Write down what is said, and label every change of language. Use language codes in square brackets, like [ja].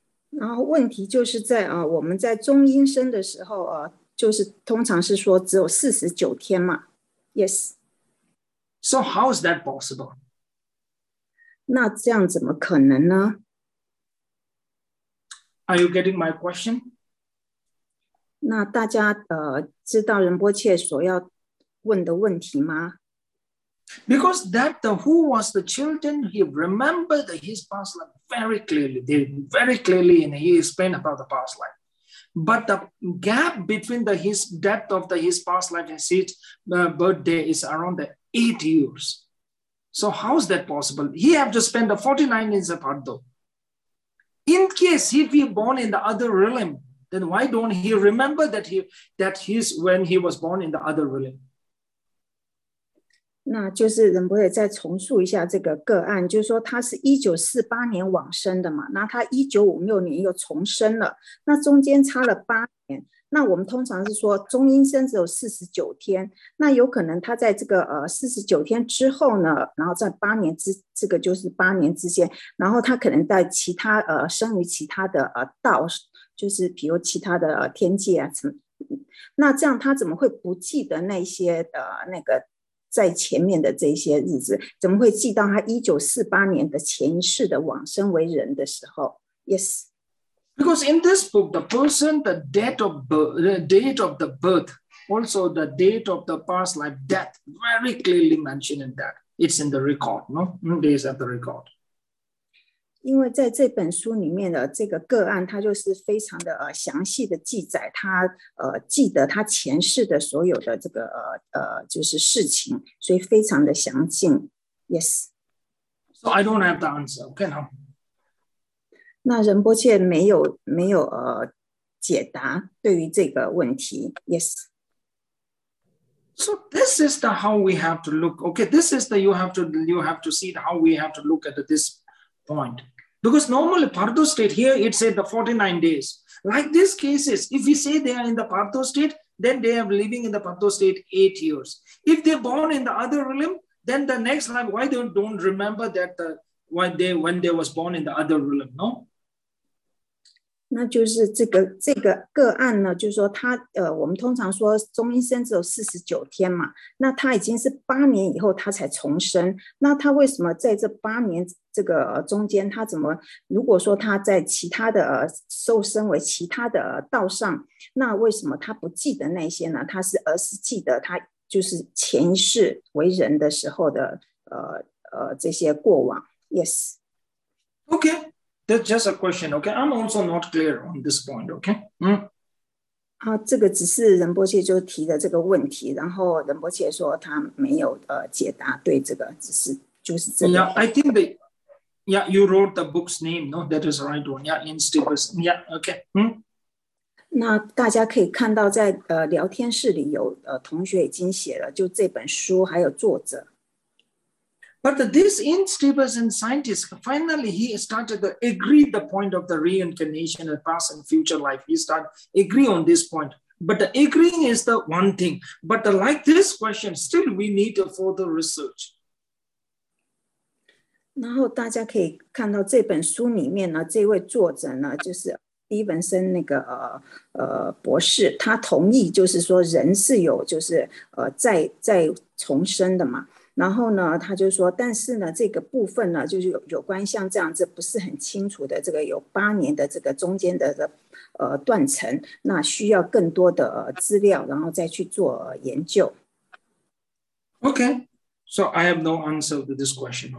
[zh] 然后问题就是在我们在中阴身的时候就是通常是说只有49天嘛，yes。 [en] So how is that possible? [zh] 那这样怎么可能呢？ [en] Are you getting my question? [zh] 那大家知道仁波切所要问的问题吗？ [en] Because that the who was the children, he remembered his past life very clearly, and he explained about the past life. But the gap between the his depth of the his past life and his birthday is around the 8 years. So how is that possible? He have to spend the 49 years apart though. In case he be born in the other realm, then why don't he remember that he's when he was born in the other realm? [zh] 那就是仁波切再重述一下这个个案，就是说他是1948年往生的嘛，那他1956年又重生了，那中间差了8年。那我们通常是说中阴身只有49天，那有可能他在这个49天之后呢，然后在8年之这个就是8年之间，然后他可能在其他生于其他的道，就是比如其他的天界啊什么，那这样他怎么会不记得那些那个？在前面的这些日子，怎么会记到他1948年的前世的往生为人的时候？Yes。 [en] Because in this book, the person, the date of birth also the date of the past life death very clearly mentioned in that. It's in the record, no? It is at the record. [zh] 因为在这本书里面的这个个案，它就是非常的详细的记载，他记得他前世的所有的这个就是事情，所以非常的详尽。 [en] Yes. So I don't have the answer. Okay, now. [zh] 那仁波切没有解答对于这个问题。 [en] Yes. So this is the how we have to look. Okay, this is the you have to see the how we have to look at this point. Because normally Pardo state here, it said the 49 days. Like these cases, if we say they are in the Pardo state, then they are living in the Pardo state 8 years. If they're born in the other realm, then the next life, why they don't remember that when they was born in the other realm, no? [zh] 那就是这个个案呢，就是说他我们通常说中阴身只有49天嘛，那他已经是八年以后他才重生，那他为什么在这八年这个中间，他怎么如果说他在其他的受身为其他的道上，那为什么他不记得那些呢？他是而是记得他就是前一世为人的时候的这些过往。 [en] Yes. Okay. That's just a question, okay? I'm also not clear on this point, okay? Mm. [zh] 这个只是仁波切就提的这个问题，然后仁波切说他没有解答对这个，只是就是这个。 [en] Yeah, I think that, yeah, you wrote the book's name, no? That is the right one, yeah, Instigation, yeah, okay, mm. [zh] 那大家可以看到在聊天室里有同学已经写了，就这本书还有作者。 [en] But this Instigation scientist, finally he started to agree the point of the reincarnation and past and future life. He started to agree on this point. But the agreeing is the one thing. But the, like this question, still we need a further research. [zh] 然后大家可以看到这本书里面呢，这位作者呢，就是Stevenson 那个博士，他同意就是说人是有就是再重生的嘛。然后呢，他就说，但是呢，这个部分呢，就是有关像这样子不是很清楚的这个有八年的这个中间的断层，那需要更多的资料，然后再去做研究。 [en] Okay, so I have no answer to this question.